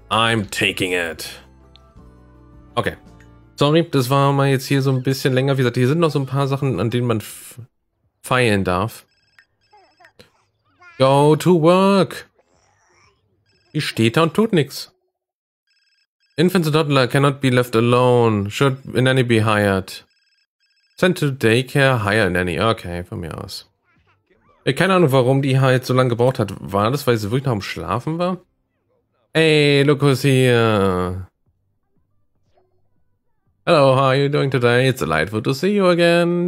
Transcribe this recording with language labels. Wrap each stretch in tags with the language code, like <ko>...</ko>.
<en>I'm taking it.</en> <de>Okay. Sorry, das war mal jetzt hier so ein bisschen länger. Wie gesagt, hier sind noch so ein paar Sachen, an denen man feilen darf.</de> <en>Go to work!</en> <de>Die steht da und tut nichts.</de> <en>Infants and toddler cannot be left alone. Should a nanny be hired? Send to daycare, hire a nanny.</en> <de>Okay, von mir aus. Keine Ahnung, warum die halt so lange gebraucht hat. War das, weil sie wirklich noch am Schlafen war? Hey, Lukas hier!</de> <en>Hello, how are you doing today? It's a delightful to see you again.</en>